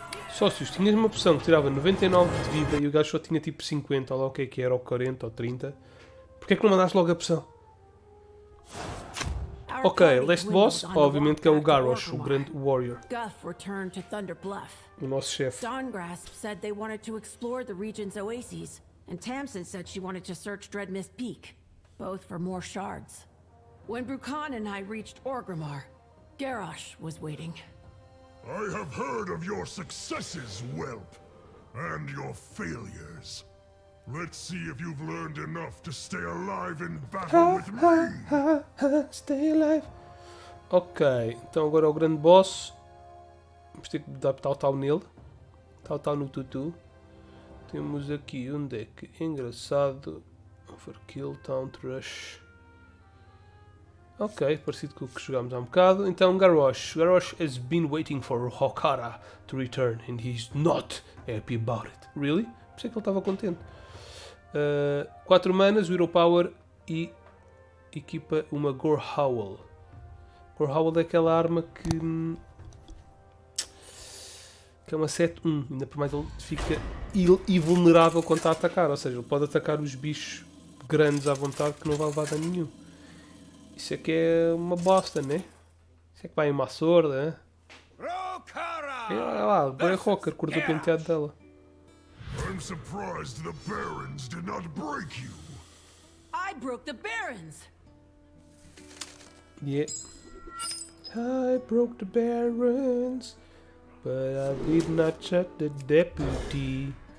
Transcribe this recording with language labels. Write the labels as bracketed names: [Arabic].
[Portuguese] Sócios, tinhas uma opção que tirava 99 de vida e o gajo só tinha tipo 50, ou lá o que é que era, ou 40, ou 30. Porquê é que não mandaste logo a opção? Ok, [English] last boss, [Portuguese] obviamente que é o Garrosh, o grande warrior. [English] Guth returned to Thunder Bluff. [Portuguese] O nosso chefe. [English] Dawngrasp said they wanted to explore the region's oases, and Tamsin said she wanted to search Dreadmist Peak, both for more shards. When Brukhan and I reached Orgrimmar, Garrosh was waiting. I have heard of your successes, whelp, and your failures. Let's see if you've learned enough to stay alive in battle with me. Stay alive. [Portuguese] Ok, então agora é o grande boss. Vamos ter que dar tal-tal nele. Tal-tal no tutu. Temos aqui um deck engraçado. [English] Overkill, Taunt Rush. [Portuguese] Ok, parecido com o que jogámos há um bocado. Então, Garrosh. [English] Garrosh has been waiting for Hokara to return and he's not happy about it. Really? [Portuguese] Pensei que ele estava contente. 4 manas, Hero Power e equipa uma Gore Howl. Gore Howl é aquela arma que é uma 7-1. Ainda por mais ele fica invulnerável quando está a atacar. Ou seja, ele pode atacar os bichos grandes à vontade que não vai levar dano nenhum. Isso é que é uma bosta, né? Isso é que vai uma sorda, né? Olha lá, agora é Rocker, cortou o penteado dela. [English] I'm surprised the Barons did not break you. I broke the Barons. Yeah. I broke the Barons, but I did not shut the deputy.